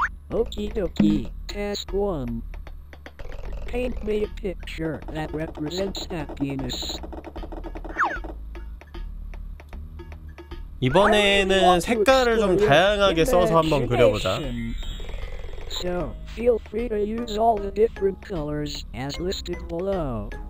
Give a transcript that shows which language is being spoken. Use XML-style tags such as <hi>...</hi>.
<en>Okie dokie, task one. Paint me a picture that represents happiness.</en> <ko>이번에는 색깔을 좀 다양하게 써서 한번 그려보자.</ko> <en>So, feel free to use all the different colors as listed below.</en>